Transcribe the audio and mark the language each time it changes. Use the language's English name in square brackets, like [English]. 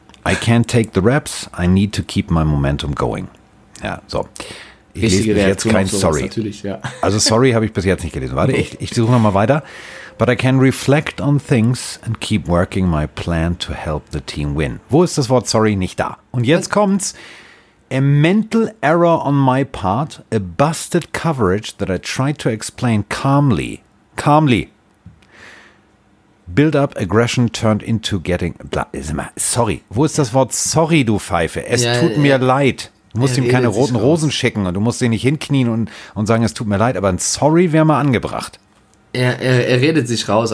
[English] I can't take the reps, I need to keep my momentum going. [German] Ja, so. Ich lese bis jetzt kein Sorry. Natürlich, ja. Also Sorry habe ich bis jetzt nicht gelesen. Warte, ich suche nochmal weiter. [English] But I can reflect on things and keep working my plan to help the team win. [German] Wo ist das Wort sorry? Nicht da. Und jetzt kommt's. [English] A mental error on my part, a busted coverage that I tried to explain calmly. Calmly. Build up aggression turned into getting... [German] Sorry. Wo ist das Wort sorry, du Pfeife? Es tut mir leid. Du musst ihm keine roten Rosen schicken und du musst ihn nicht hinknien und sagen, es tut mir leid, aber ein Sorry wäre mal angebracht. Er redet sich raus.